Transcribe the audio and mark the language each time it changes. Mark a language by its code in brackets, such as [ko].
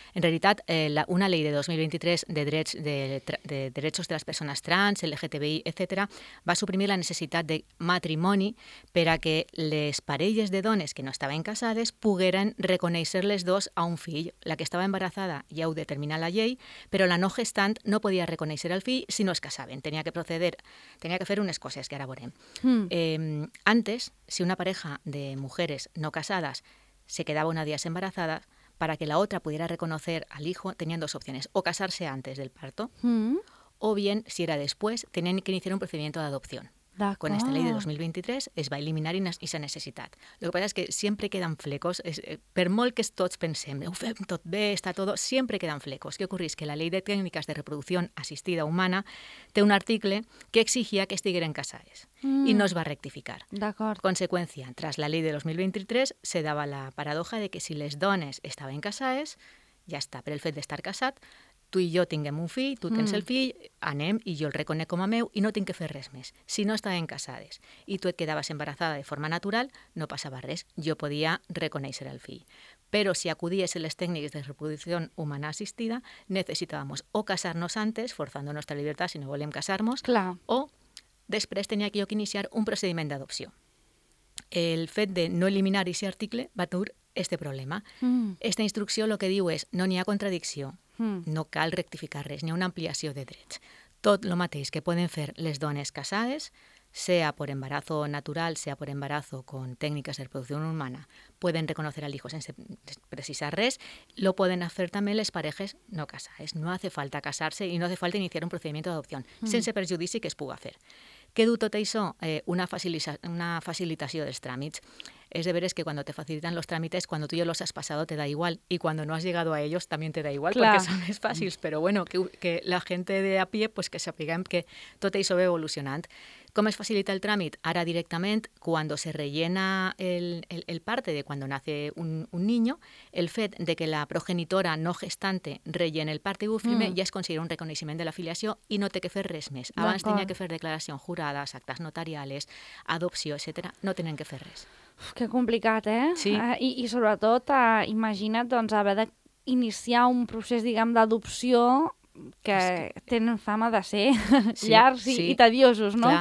[ca] En realitat, [es] una ley de 2023 de derechos de las personas trans, LGTBI, etcétera, va a suprimir la necesidad de matrimonio para que [ca] les parelles de dones que no estaven casades pugueren reconeixer-les dos a un fill. La que estava embarazada ja ho determina la llei, però la no gestant no podia reconèixer el fill si no es casaven. Tenia que fer unes coses que ara veurem. [es] Antes, si una pareja de mujeres no casadas se quedava una dia embarazada, para que la otra pudiera reconocer al hijo, tenían dos opciones, o casarse antes del parto, o bien, si era después, tenían que iniciar un procedimiento de adopción. Con esta ley de 2023 [ca] es va eliminar [es] esa necesidad. Lo que pasa es que siempre quedan flecos, [ca] per molt que tots pensem, ho fem tot bé, està tot, [es] siempre quedan flecos. ¿Qué ocurre? Es que la ley de técnicas de reproducción asistida humana [ca] té un article que [es] exigía que [ca] estigueren casades [es] y [ca] no es va rectificar. D'acord. [es] Consecuencia, tras la ley de 2023 se daba la paradoja de que si [ca] les dones estaven casades, ja està, per el fet d'estar casat, tu i jo tinguem un fill, tu tens el fill, anem i jo el reconec com a meu i no tinc que fer res més. Si no estàvem casades i tu et quedaves embarazada de forma natural, no passava res, jo podia reconèixer el fill. Però si acudies a les tècniques de reproducció humana assistida, necessitàvamos o casar-nos antes, forzando nostra libertat si no volem casar-nos, [es] claro, [ca] o després tenia que iniciar un procediment d'adopció. El fet de no eliminar aquest article va dur aquest problema. Esta instrucció el que diu és no n'hi ha contradicció, no cal rectificar res, ni una ampliació de drets. Tot el mateix que poden fer les dones casades, sea per embarazo natural, sea per embarazo con tècniques de reproducció humana, poden [es] reconocer al hijo [ca] sense precisar res, lo poden fer també les parelles no casades. [es] No hace falta casarse i no hace falta iniciar un procedimiento de adopción, [ca] sense perjudici que es puga fer. Què du tot això? Una facilitació dels tràmits. [es] Es de veres que cuando te facilitan los trámites, cuando tú ya los has pasado, te da igual. Y cuando no has llegado a ellos, también te da igual, claro, porque son más fáciles. Pero bueno, que la gente de a pie, pues [ca] que sapiguen que tot això va evolucionant. ¿Com es facilita el tràmit? [es] Ara directamente, cuando se rellena el parte de cuando nace un niño, [ca] el fet de que [es] la progenitora no gestante rellene el parte bufime, ya es considerado un reconocimiento de la [ca] filiació y no té que fer res més. Abans tenia que fer declaració jurada, actes notariales, adopció, etcètera. No tenen que fer res. Que complicat, eh? Sí. I sobretot, imagina't doncs, haver d'iniciar un procés, diguem, d'adopció que tenen fama de ser llargs i tediosos, no?